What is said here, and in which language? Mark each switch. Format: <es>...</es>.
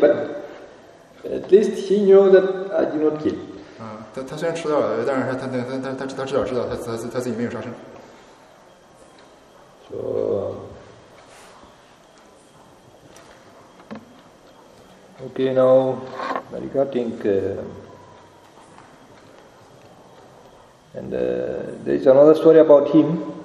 <en>but at least he knew that I did not kill.</en> <zh>He虽然迟到了，但是他知道自己没有杀生.</zh> <en>So okay, now I think and there is another story about him.</en>